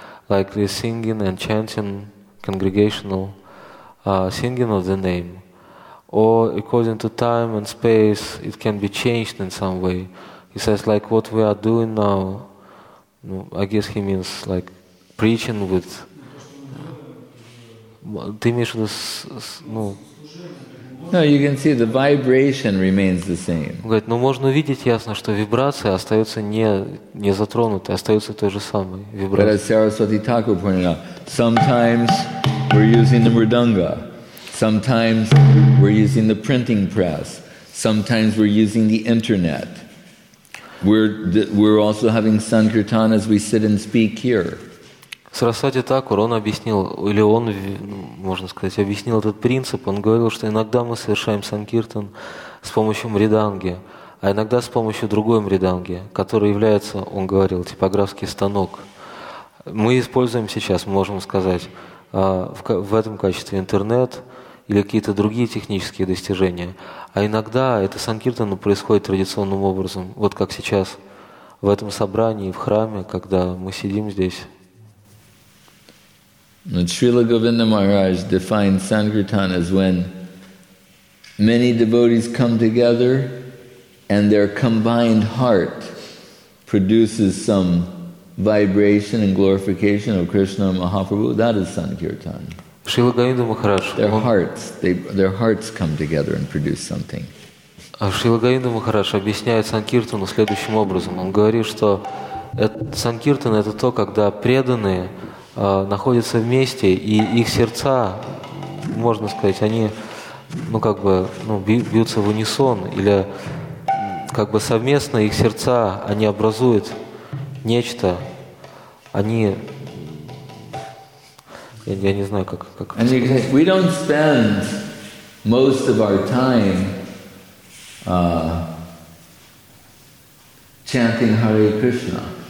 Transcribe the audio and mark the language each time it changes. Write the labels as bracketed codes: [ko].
[en] Like the singing and chanting, congregational singing of the name, or according to time and space, it can be changed in some way. He says, like what we are doing now, I guess he means like preaching with... No, you can see the vibration remains the same. [ru] Говорит, но можно видеть ясно, что вибрация остается не затронутой, остается той же самой вибрацией. [en] But as Saraswati Thakur pointed out, sometimes we're using the mridanga, sometimes we're using the printing press, sometimes we're using the internet. We're also having sankirtan as we sit and speak here. [ru] Сарасвати Такур, он объяснил, или он, можно сказать, объяснил этот принцип. Он говорил, что иногда мы совершаем санкиртан с помощью мриданги, а иногда с помощью другой мриданги, которая является, он говорил, типографский станок. Мы используем сейчас, можем сказать, в этом качестве интернет или какие-то другие технические достижения. А иногда это санкиртан происходит традиционным образом, вот как сейчас в этом собрании, в храме, когда мы сидим здесь. [en] Srila Govinda Maharaj defines Sankirtan as when many devotees come together and their combined heart produces some vibration and glorification of Krishna Mahaprabhu. That is Sankirtan. Srila Govinda Maharaj. Their hearts come together and produce something. [ru] Srila Govinda Maharaj объясняет Санкиртану следующим образом. Он говорит, что Санкиртан это то, когда преданные находятся вместе, и их сердца, можно сказать, они, ну, как бы, ну, бьются в унисон, или как бы совместно их сердца, они образуют нечто, они, я не знаю, как это сказать. [en] We don't spend most of our time chanting Hare Krishna.